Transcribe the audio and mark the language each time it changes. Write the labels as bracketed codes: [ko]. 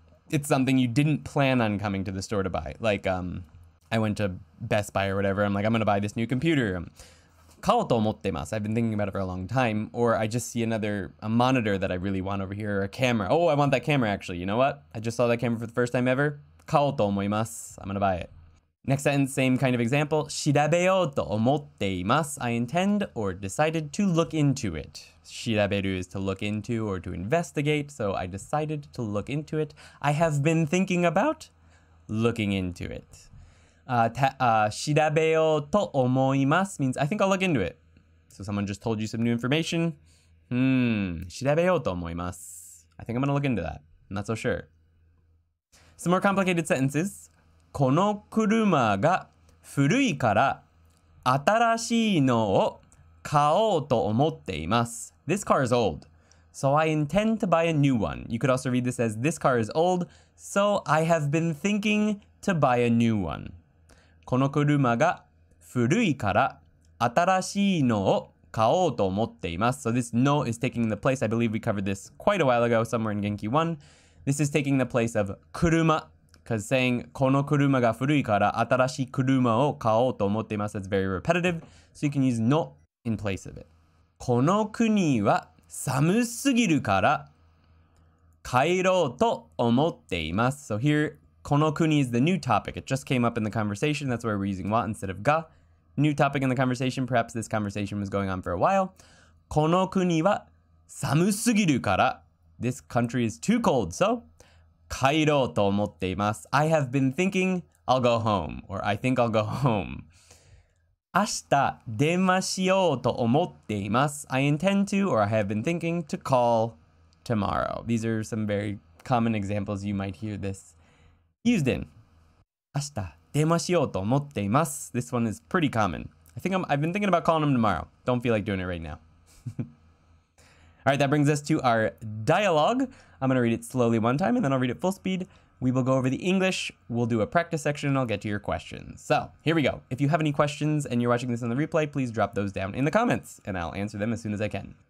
[en] It's something you didn't plan on coming to the store to buy. Like, I went to Best Buy or whatever. I'm like, I'm going to buy this new computer. [ja] 買おうと思ってます. [en] I've been thinking about it for a long time. Or I just see a monitor that I really want over here, or a camera. Oh, I want that camera, actually. You know what? I just saw that camera for the first time ever. [ja] 買おうと思います. [en] I'm going to buy it. Next sentence, same kind of example. [ja] 調べようと思っています. [en] I intend or decided to look into it. 調べる is to look into or to investigate. So I decided to look into it. I have been thinking about looking into it. [ja] 調べようと思います [en] means I think I'll look into it. So someone just told you some new information. [ja] 調べようと思います. [en] I think I'm going to look into that. I'm not so sure. Some more complicated sentences. [ja] この車が古いから新しいのを買おうと思っています。 [en] This car is old, so I intend to buy a new one. You could also read this as this car is old, so I have been thinking to buy a new one. [ja] この車が古いから新しいのを買おうと思っています。 [en] So this no is taking the place. I believe we covered this quite a while ago somewhere in Genki 1. This is taking the place of 車.Because saying, [ja] この車が古いから新しい車を買おうと思っています, [en] that's very repetitive. So you can use の in place of it. [ja] この国は寒すぎるから帰ろうと思っています. [en] So here, この国 is the new topic. It just came up in the conversation. That's why we're using は instead of が. New topic in the conversation. Perhaps this conversation was going on for a while. [ja] この国は寒すぎるから [en] This country is too cold, so... [ja] 帰ろうと思っています。 [en] I have been thinking I'll go home, or I think I'll go home. [ja] 明日電話しようと思っています。 [en] I intend to, or I have been thinking to call tomorrow. These are some very common examples you might hear this used in. [ja] 明日電話しようと思っています。 [en] This one is pretty common. I think I've been thinking about calling him tomorrow. Don't feel like doing it right now. All right, that brings us to our dialogue. I'm going to read it slowly one time, and then I'll read it full speed. We will go over the English, we'll do a practice section, and I'll get to your questions. So, here we go. If you have any questions and you're watching this on the replay, please drop those down in the comments, and I'll answer them as soon as I can.